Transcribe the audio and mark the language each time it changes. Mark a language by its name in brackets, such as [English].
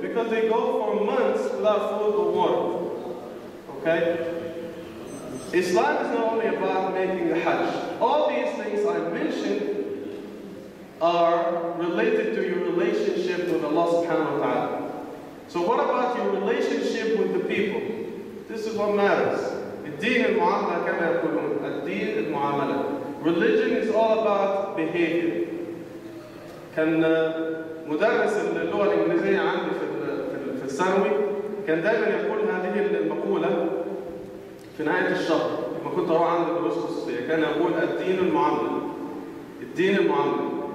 [English] Because they go for months without food or water. Okay? Islam is not only about making the Hajj. All these things I mentioned are related to your relationship with Allah subhanahu wa ta'ala. So what about your relationship with the people? This is what matters. [Arabic] الدين المعاملة كما يقولون. الدين المعاملة. [English] Religion is all about behavior. [Arabic] كان مدرس اللغة الإنجليزية عندي في الثانوي كان دائما يقول هذه المقولة في نهاية الشهر لما كنت أروح عند الدروس الخصوصية كان يقول الدين المعاملة. الدين المعاملة.